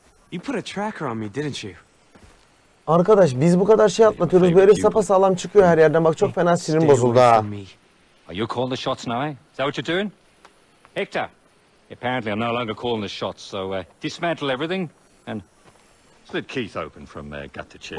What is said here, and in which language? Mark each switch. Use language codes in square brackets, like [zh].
[en] You put a tracker on me, didn't you? [tr] Arkadaş biz bu kadar şey atlatıyoruz. Böyle sapasağlam çıkıyor her yerden. Bak çok fena sinirim bozuldu ha. [en] Are you calling the shots now? Is that what you're doing? Hector. Apparently I'm no longer calling the shots. So dismantle everything and Slit Keith open from there, gut to chin,